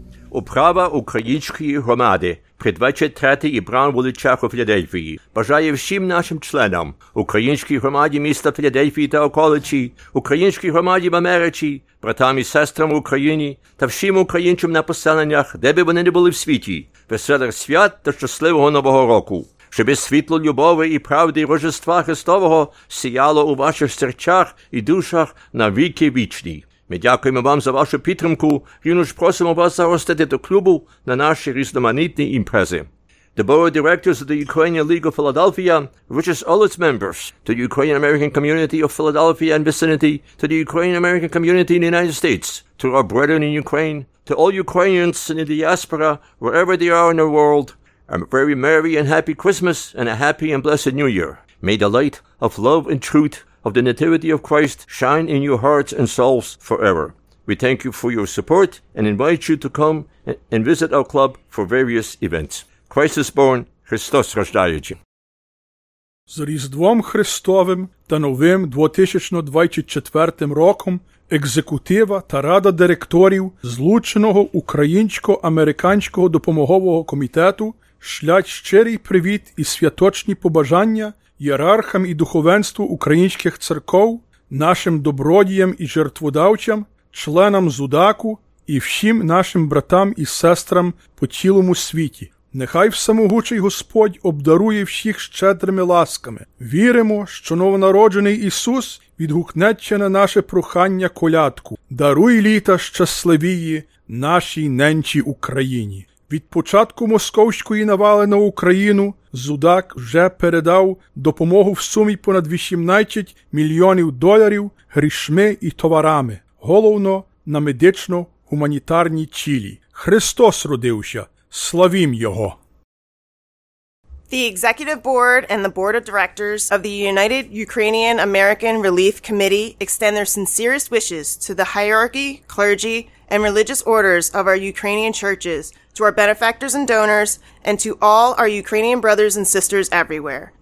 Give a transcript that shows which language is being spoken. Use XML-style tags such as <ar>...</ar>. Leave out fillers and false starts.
<uk>управа української громади, предвечір третій брам вуличах у Філадельфії, бажає всім нашим членам, українській громаді міста Філадельфії та околиці, українській громаді в Америці, братам і сестрам в Україні та всім українцям на поселеннях, де би вони не були в світі, веселих свят та щасливого Нового року. Щоб світло любові і правди Рождества Христового сіяло у ваших серцях і душах на віки вічні. Ми дякуємо вам за вашу підтримку, рівно ж просимо вас заростити до клубу на наші різноманітні імпрези.</uk> <en>The Board of Directors of the Ukrainian League of Philadelphia reaches all its members to the Ukrainian-American community of Philadelphia and vicinity, to the Ukrainian-American community in the United States, to our brethren in Ukraine, to all Ukrainians in the diaspora, wherever they are in the world, a very merry and happy Christmas and a happy and blessed New Year. May the light of love and truth of the Nativity of Christ shine in your hearts and souls forever. We thank you for your support and invite you to come and visit our club for various events. Christ is born,</en> <uk>Христос рождається. З Різдвом Христовим та Новим 2024 роком екзекутива та рада директорів злученого українсько-американського допомогового комітету шлять щирий привіт і святочні побажання ієрархам і духовенству українських церков, нашим добродіям і жертводавцям, членам Зудаку і всім нашим братам і сестрам по цілому світі. Нехай всемогучий Господь обдарує всіх щедрими ласками. Віримо, що новонароджений Ісус відгукнеться на наше прохання колядку. Даруй літа щасливії нашій ненчі Україні. Від початку московської навали на Україну Зудак вже передав допомогу в сумі понад 18 мільйонів доларів грішми і товарами, головно на медично-гуманітарні цілі. Христос родився! Славім Його!</uk> <en>The Executive Board and the Board of Directors of the United Ukrainian American Relief Committee extend their sincerest wishes to the hierarchy, clergy, and religious orders of our Ukrainian churches, to our benefactors and donors, and to all our Ukrainian brothers and sisters everywhere.</en>